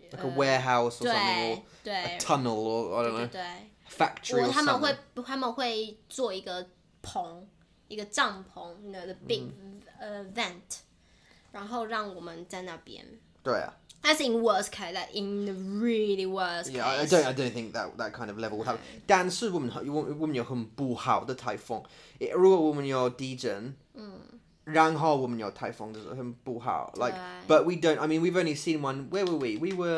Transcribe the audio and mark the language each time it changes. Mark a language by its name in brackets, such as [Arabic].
[English] like a warehouse or something, or a tunnel, or, I don't know, a factory or something. [Chinese] 他们会做一个棚,一个帐篷, [English] you know, the big vent, [Chinese] 然后让我们在那边。对啊。 [English] That's in worst case, like in the really worst case. Yeah, I don't think that kind of level would happen. [Chinese] 但是我们有很不好的台风。如果我们有地震，然后我们有台风，就是很不好。 [English] Like, but we don't, I mean, we've only seen one, where were we?